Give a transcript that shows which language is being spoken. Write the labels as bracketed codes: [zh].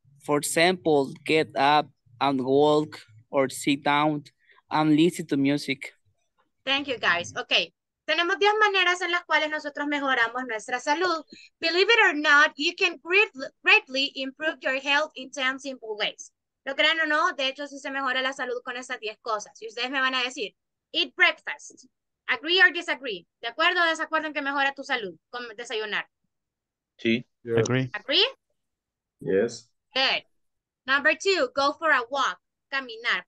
[en] For example, get up and walk or sit down and listen to music. Thank you, guys. Okay. [es] Tenemos 10 maneras en las cuales nosotros mejoramos nuestra salud. [en] Believe it or not, you can greatly improve your health in 10 simple ways. [es] ¿Lo crean o no? De hecho, sí se mejora la salud con estas 10 cosas. Y ustedes me van a decir, [en] eat breakfast. Agree or disagree. [es] ¿De acuerdo o desacuerdo en que mejora tu salud con desayunar? Sí. [en] Yes. Agree. Agree? Yes. Good. Number two, go for a walk. [es] Caminar.